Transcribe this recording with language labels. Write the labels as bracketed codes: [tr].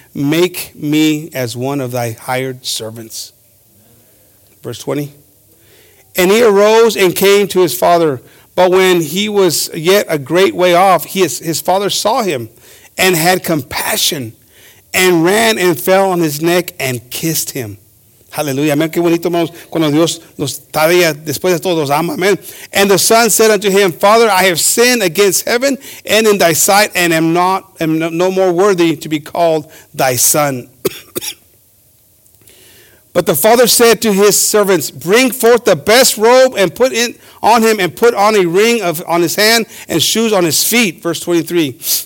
[en] Make me as one of thy hired servants. Verse 20. And he arose and came to his father. But when he was yet a great way off, his father saw him and had compassion and ran and fell on his neck and kissed him. Hallelujah. Amen. [es] Qué bonito, hermanos, cuando Dios nos todavía después de todos ama. [en] Amen. And the son said unto him, Father, I have sinned against heaven and in thy sight, and am no more worthy to be called thy son. But the father said to his servants, bring forth the best robe and put it on him, and put on a ring on his hand and shoes on his feet. Verse 23.